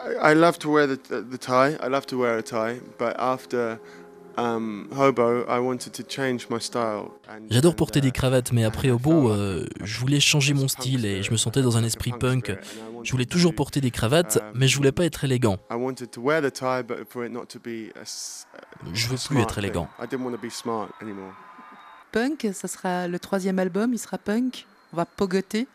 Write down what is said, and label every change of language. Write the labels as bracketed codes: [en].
[en] I love to wear the tie. I love to wear a tie, but after Hobo, I wanted to change my style. [fr] J'adore porter des cravates, mais après Hobo, je voulais changer mon style et je me sentais dans un esprit punk. Je voulais toujours porter des cravates, mais je voulais pas être élégant. [en] I wanted to wear the tie, but for it not to be a [fr] je veux plus être élégant. [en] I didn't want to be smart anymore. [fr] Punk, ça sera le troisième album, il sera punk. On va pogoter.